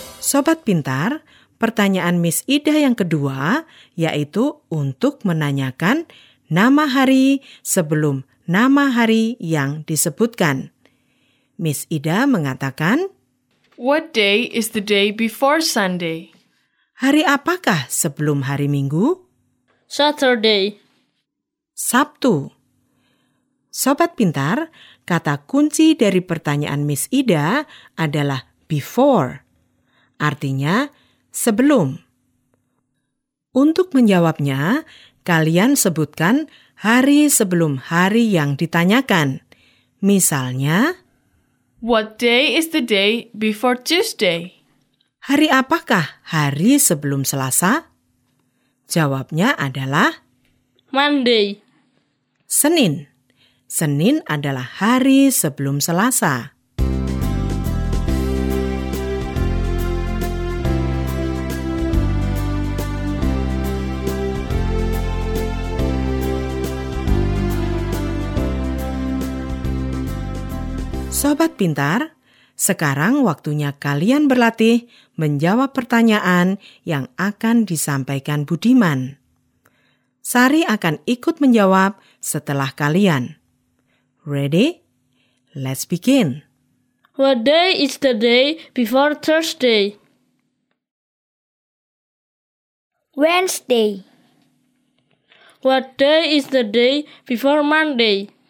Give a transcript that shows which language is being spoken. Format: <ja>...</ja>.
<id>Sobat Pintar, pertanyaan Miss Ida yang kedua yaitu untuk menanyakan nama hari sebelum nama hari yang disebutkan. Miss Ida mengatakan,</id> <en>What day is the day before Sunday?</en> <id>Hari apakah sebelum hari Minggu?</id> <en>Saturday.</en> <id>Sabtu. Sobat Pintar, kata kunci dari pertanyaan Miss Ida adalah before. Artinya, sebelum. Untuk menjawabnya, kalian sebutkan hari sebelum hari yang ditanyakan. Misalnya,</id> <en>What day is the day before Tuesday?</en> <id>Hari apakah hari sebelum Selasa? Jawabnya adalah,</id> <en>Monday.</en> <id>Senin. Senin adalah hari sebelum Selasa. Sobat Pintar, Sekarang waktunya kalian berlatih menjawab pertanyaan yang akan disampaikan Budiman. Sari akan ikut menjawab setelah kalian.</id> <en>Ready? Let's begin. What day is the day before Thursday? Wednesday. What day is the day before Monday?</en>